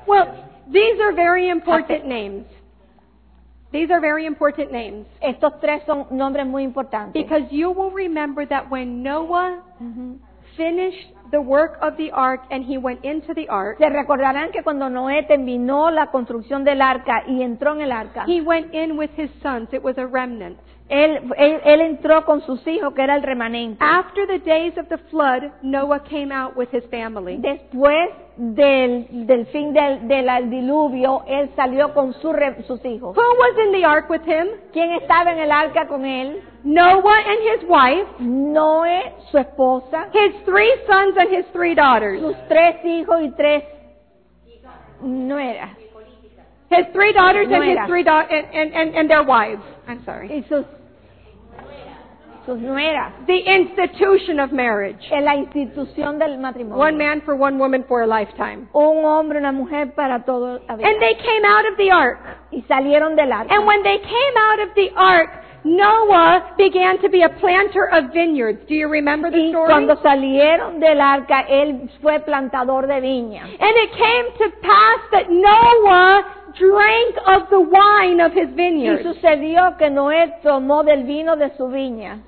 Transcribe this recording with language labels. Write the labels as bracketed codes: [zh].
[en] Well, these are very important names. These are very important names. [es] Estos tres son nombres muy importantes. [en] Because you will remember that when Noah finished the work of the ark and he went into the ark. [es] Se recordarán que cuando Noé terminó la construcción del arca y entró en el arca. [en] He went in with his sons. It was a remnant. [es] Él entró con sus hijos, que era el remanente. [en] After the days of the flood, Noah came out with his family. [es] Después del fin del diluvio, él salió con sus hijos. [en] Who was in the ark with him? [es] ¿Quién estaba en el arca con él? [en] Noah and his wife. [es] Noé, su esposa. [en] His three sons and his three daughters. [es] Sus tres hijos y tres nueras. [en] His three daughters and his three and their wives. I'm sorry. [es] Y sus nueras. [en] The institution of marriage. [es] En la institución del matrimonio. [en] One man for one woman for a lifetime. [es] Un hombre, una mujer para todo la vida. [en] And they came out of the ark. [es] Y salieron del arca. [en] And when they came out of the ark, Noah began to be a planter of vineyards. Do you remember the story? [es] Y cuando salieron del arca, él fue plantador de viña. [en] And it came to pass that Noah drank of the wine of his vineyard. [es] Y sucedió que Noé tomó del vino de su viña.